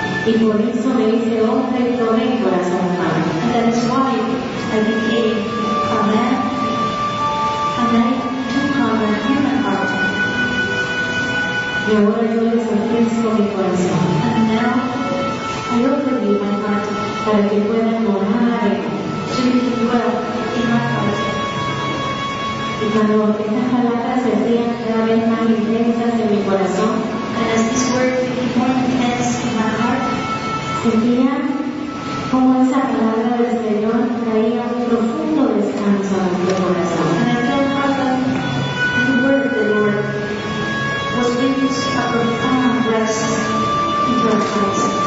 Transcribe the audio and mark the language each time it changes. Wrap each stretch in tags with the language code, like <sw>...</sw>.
<es>Y por eso me hice hombre y tomé el corazón humano.</es> <en>And that is why I became a man. A man to come and hear my heart.</en> <es>Y ahora yo les ofrezco mi corazón.</es> <en>And now I offer you my heart.</en> <es>Para que puedan morar en</es> <en>well, in my heart.</en> <es>Y cuando estas palabras se hacían cada vez más intensas en mi corazón,</es> <en>and as this word became more intense in my heart,</en> <es>sentía como esa palabra del Señor traía un profundo descanso a mi corazón.</es> <en>And I felt how the word of the Lord was bringing a profound rest into our hearts.</en>